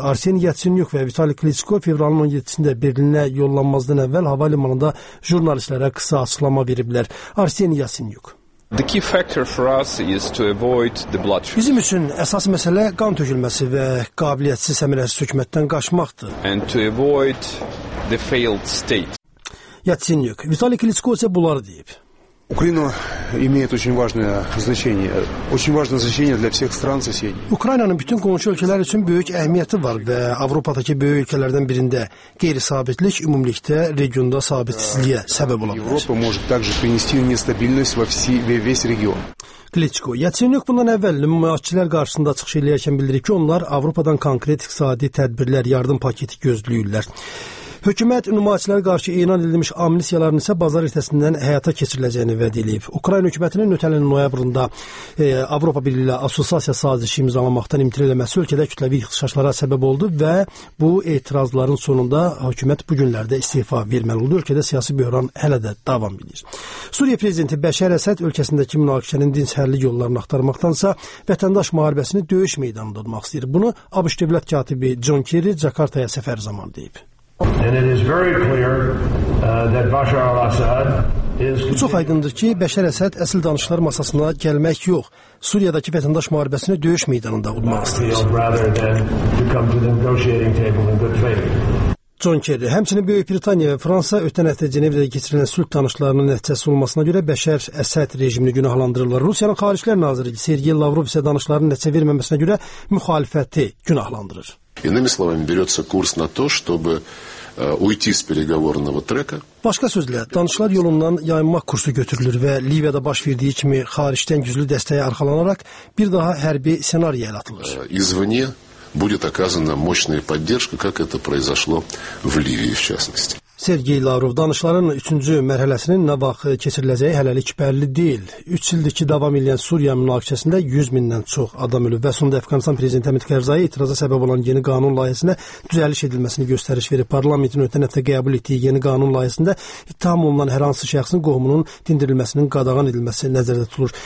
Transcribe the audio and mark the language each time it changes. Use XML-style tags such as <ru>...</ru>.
<az>Arsen Yatsenyuk ve Vitali Klitschko fevralın 17-sinde Berlin'e yollanmazdan evvel havalimanında jurnalistlere kısa açıklama veriblər. Arsen Yatsenyuk.</az> <en>The key factor for us is to avoid the bloodshed.</en> <az>Bizim üçün əsas məsələ qan tökülməsi və qabiliyyətsiz səmərəsiz hökumətdən qaçmaqdır.</az> <en>And to avoid the failed state.</en> <az>Yatsenyuk. Vitali Klitschko isə bunları deyib.</az> <ru>Украина имеет очень важное значение для всех стран соседей.</ru> <az>Украинаның bütün qonşu ölkələr üçün böyük əhəmiyyəti var və Avropadakı böyük ölkələrdən birində qeyri-sabitlik ümumilikdə regionda sabitsizliyə səbəb ola bilər.</az> <ru>Европа может также принести нестабильность во весь регион.</ru> <az>Klitschko, Yatsenyuk bundan əvvəl müvəkkillər qarşısında çıxış eləyərkən bildirir ki, onlar Avropadan konkret iqtisadi tədbirlər, yardım paketi gözləyirlər. Hökumət nümayəndələrə qarşı elan edilmiş amnistiyaların isə bazar ertəsindən həyata keçiriləcəyini vəd edib. Ukrayna hökumətinin ötən il noyabrında Avropa Birliyi ilə assosiasiya sazişi imzalamaqdan imtina eləməsi ölkədə kütləvi ixtişaşlara səbəb oldu və bu etirazların sonunda hökumət bu günlərdə istifa verməli oldu. Ölkədə siyasi böhran hələ də davam edir. Suriya prezidenti Bəşər Əsəd ölkəsindəki münaqişənin dinçhərlik yollarını axtarmaqdansa vətəndaş müharibəsini döyüş meydanında durmaq istəyir. Bunu ABŞ dövlət katibi John Kerry Jakartaya səfər zamanı deyib.</az> <en>And it is very clear that Bashar al-Assad</en> <az>Bu çox aydındır ki, Bəşər Əsəd əsl danışıqlar masasına gəlmək yox, Suriyadakı vətəndaş müharibəsini döyüş meydanında vurmaq istəyir. John Kerry, həmçinin Böyük Britaniya və Fransa ötən həftə Cenevrədə keçirilən sülh danışıqlarının nəticəsi olmasına görə Bəşər Əsəd rejimini günahlandırırlar. Rusiyanın Xarici İşlər Naziri Sergey Lavrov isə danışıqların nəticə verməməsinə görə müxalifəti günahlandırır.</az> <ru>Иными словами, берется курс на то, чтобы уйти с переговорного трека.</ru> <az>Başqa sözlə, danışıqlar yolundan yayınmaq kursu götürülür və Liviyada baş verdiyi kimi xaricdən güclü dəstəyə arxalanaraq bir daha hərbi ssenari yaradılır.</az> <ru>Извне будет оказана мощная поддержка, как это произошло в Ливии в частности.</ru> <az>Sergey Lavrov danışıqların 3-cü mərhələsinin nə vaxt keçiriləcəyi hələlik bəlli deyil. 3 ildir ki, davam edən Suriya münaqişəsində 100 mindən çox adam ölüb və sonunda Əfqanistan prezidenti Həmid Kərzayı itiraza səbəb olan yeni qanun layihəsində düzəliş edilməsini göstəriş verib. Parlamentin ötən həftə qəbul etdiyi yeni qanun layihəsində ittiham olunan hər hansı şəxsin qohumunun dindirilməsinin qadağan edilməsi nəzərdə tutulur.</az>